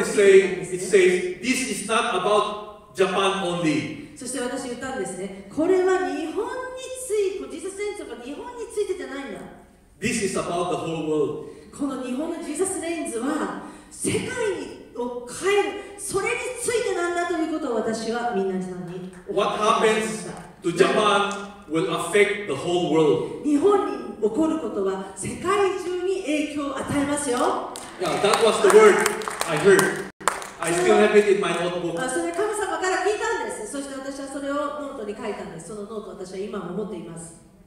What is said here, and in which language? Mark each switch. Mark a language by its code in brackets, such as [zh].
[en] is saying, it says, this is not about Japan only. [ja] そして私言ったんですね。これは日本について、ジーザスネインズは日本についてじゃないんだ。 [en] This is about the whole world. [ja] この日本のジーザスネインズは世界を変える、それについてなんだということを私はみんなさんに。 [en] What happens to Japan will affect the whole world. [ja] 日本に起こることは世界中に影響を与えますよ。 [en] Yeah, that was the word I heard. I still have it in my notebook. [ja] それ神様から聞いたんです。そして私はそれをノートに書いたんです。そのノート私は今も持っています。